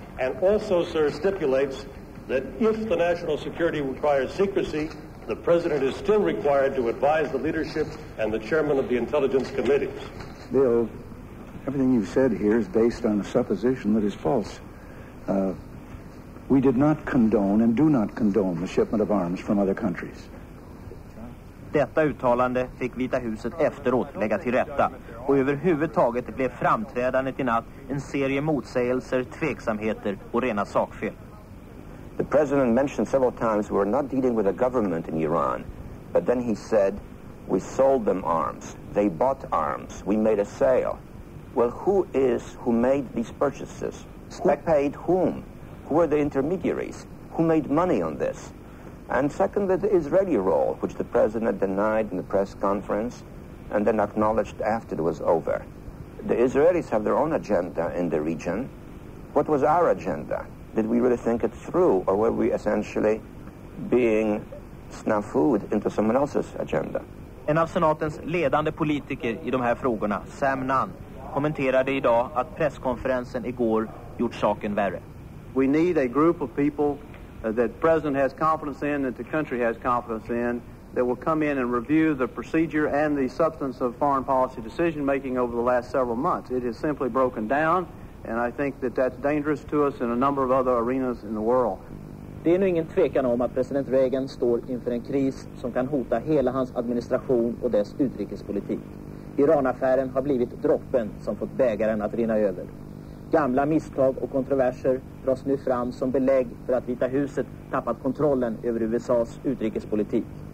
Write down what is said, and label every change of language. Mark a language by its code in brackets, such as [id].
[en] And also, sir, stipulates that if the national security requires secrecy, the president is still required to advise the leadership and the chairman of the intelligence committees. Bill, everything you've said here is based on a supposition that is false. We did not condone and do not condone the shipment of arms from other countries. [sv] Detta uttalande fick Vita huset efteråt lägga till rätta. Och överhuvudtaget blev framträdandet i natt en serie motsägelser, tveksamheter och rena sakfel. [en] The president mentioned several times we're not dealing with a government in Iran. But then he said, we sold them arms. They bought arms. We made a sale. Well, who made these purchases? Paid whom? Who were the intermediaries? Who made money on this? And secondly, the Israeli role, which the president denied in the press conference and then acknowledged after it was over. The Israelis have their own agenda in the region. What was our agenda? Did we really think it through, or were we essentially being snafu'd into someone else's agenda? [sv] En av senatens ledande politiker i de här frågorna, Sam Nunn, kommenterade idag att presskonferensen igår gjort saken värre. [en] We need a group of people that the president has confidence in, that the country has confidence in, that will come in and review the procedure and the substance of foreign policy decision making over the last several months. It has simply broken down, and I think that that's dangerous to us in a number of other arenas in the world. [sv] Det är nu ingen tvekan om att president Reagan står inför en kris som kan hota hela hans administration och dess utrikespolitik. Iranaffären har blivit droppen som fått bägaren att rinna över. Gamla misstag och kontroverser dras nu fram som belägg för att Vita huset tappat kontrollen över USA:s utrikespolitik.